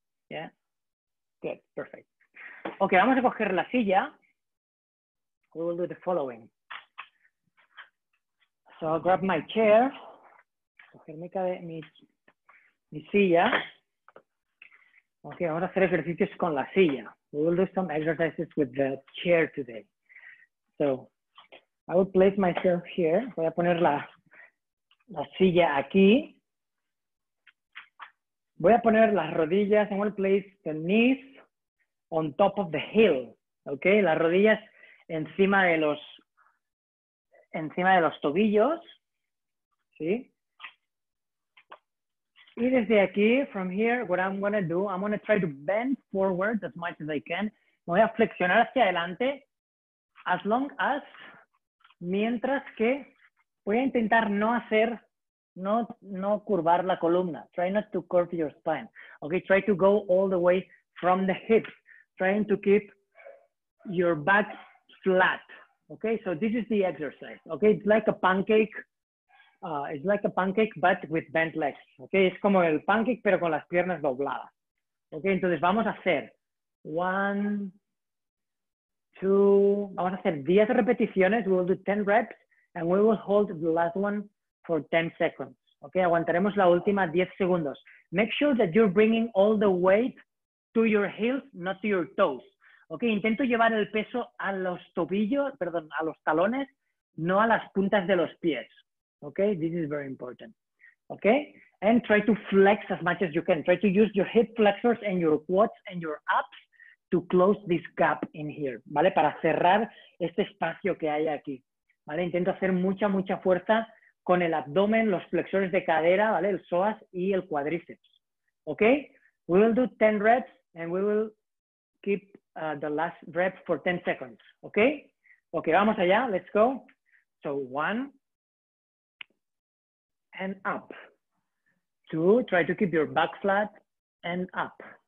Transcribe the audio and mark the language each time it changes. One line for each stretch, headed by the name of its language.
English: Yeah, good, perfect. Okay,
Spanish: vamos a coger la silla.
English: We will do the following. So I'll grab my chair,
Spanish: coger mi silla. Okay, vamos a hacer ejercicios con la silla.
English: We will do some exercises with the chair today. So, I will place myself here.
Spanish: Voy a poner la silla aquí. Voy a poner las rodillas.
English: I will place the knees on top of the heel.
Spanish: Okay, las rodillas encima de los tobillos. ¿Sí? Y desde aquí,
English: from here, what I'm going to do, I'm going to try to bend forward as much as I can.
Spanish: Me voy a flexionar hacia adelante,
English: as long as,
Spanish: mientras que, voy a intentar no curvar la columna.
English: Try not to curve your spine. Okay, try to go all the way from the hips, trying to keep your back flat. Okay, so this is the exercise. Okay, it's like a pancake. It's like a pancake, but with bent legs.
Spanish: Okay, es como el pancake, pero con las piernas dobladas. Okay, entonces vamos a hacer 1, 2, vamos a hacer 10 repeticiones.
English: We'll do 10 reps, and we will hold the last one for 10 seconds. Okay,
Spanish: aguantaremos la última 10 segundos.
English: Make sure that you're bringing all the weight to your heels, not to your toes.
Spanish: Okay, intento llevar el peso a los tobillos, perdón, a los talones, no a las puntas de los pies.
English: Okay, this is very important. Okay, and try to flex as much as you can. Try to use your hip flexors and your quads and your abs to close this gap in here, ¿vale?
Spanish: Para cerrar este espacio que hay aquí, ¿vale? Intento hacer mucha, mucha fuerza con el abdomen, los flexores de cadera, ¿vale? El psoas y el cuádriceps.
English: Okay, we will do 10 reps and we will keep the last rep for 10 seconds. Okay, okay,
Spanish: vamos allá,
English: let's go. So, 1. And up. 2, try to keep your back flat and up.